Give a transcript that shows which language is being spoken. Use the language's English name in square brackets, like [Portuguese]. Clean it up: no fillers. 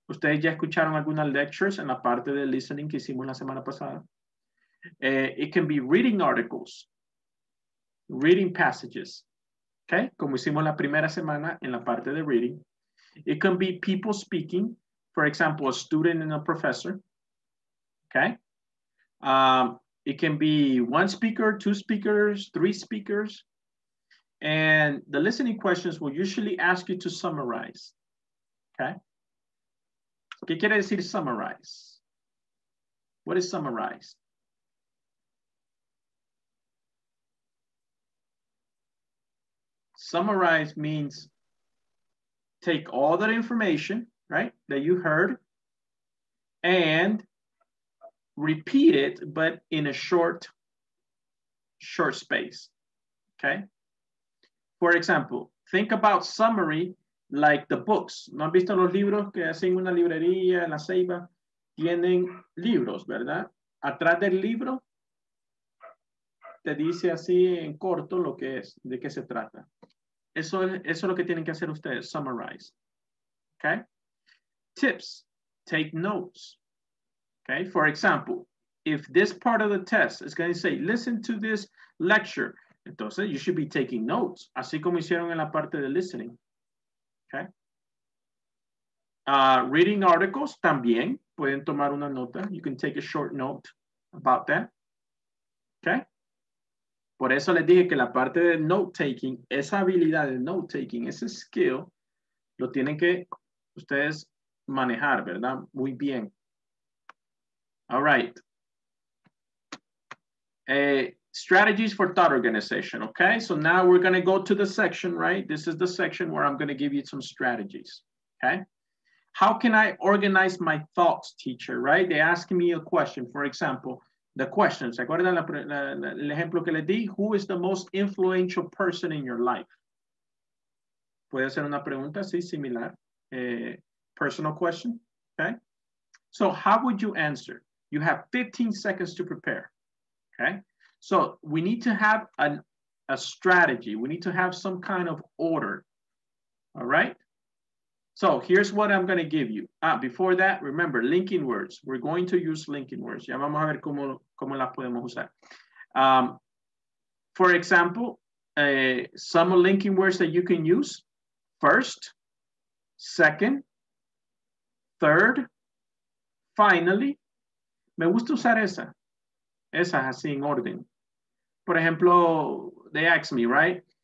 [Spanish] Ustedes ya escucharon algunas lectures en la parte de listening que hicimos la semana pasada. [English] It can be reading articles, reading passages, okay? [Spanish] Como hicimos la primera semana en la parte de reading. [English] It can be people speaking, for example, a student and a professor, okay? It can be one speaker, two speakers, three speakers. And the listening questions will usually ask you to summarize, okay? [Spanish] ¿Qué quiere decir summarize? [English] What is summarize? Summarize means take all that information, right, that you heard and repeat it, but in a short space, okay? For example, think about summary like the books. [Spanish] ¿No han visto los libros que hacen una librería en la Ceiba? Tienen libros, ¿verdad? Atrás del libro, te dice así en corto lo que es, de qué se trata. Eso es lo que tienen que hacer ustedes, summarize, okay? [English] Tips, take notes, okay? For example, if this part of the test is going to say, listen to this lecture, entonces you should be taking notes, [Spanish] así como hicieron en la parte de listening, [English] okay? Reading articles, [Spanish] también pueden tomar una nota. [English] You can take a short note about that, okay? [Spanish] Por eso les dije que la parte de note-taking, esa habilidad de note-taking, ese skill, lo tienen que ustedes manejar, ¿verdad? Muy bien. [English] All right. Strategies for thought organization, okay? So now we're gonna go to the section, right? This is the section where I'm gonna give you some strategies, okay? How can I organize my thoughts, teacher, right? They ask me a question, for example, the question, [Spanish] ¿se acuerdan el ejemplo que les di? [English] Who is the most influential person in your life? [Spanish] ¿Puede hacer una pregunta? Sí, similar. [English] Personal question, okay? So how would you answer? You have 15 seconds to prepare, okay? So we need to have a strategy. We need to have some kind of order, all right? So here's what I'm gonna give you. Before that, remember, linking words. We're going to use linking words. [Spanish] Ya vamos a ver cómo las podemos usar. [English] For example, some linking words that you can use. First, second, third, finally. [Spanish] Me gusta usar esa. Esa así en orden. Por ejemplo, [English] they ask me, right?